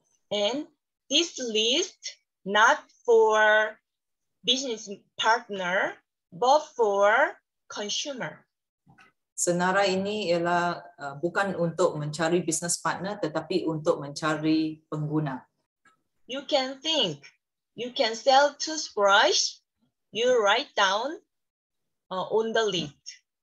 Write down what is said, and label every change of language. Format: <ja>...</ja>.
<en>And this list not for business partner, but for consumer.</en> <ms>Senarai ini ialah bukan untuk mencari business partner, tetapi untuk mencari pengguna.</ms> <en>You can think, you can sell toothbrush, you write down on the list.</en>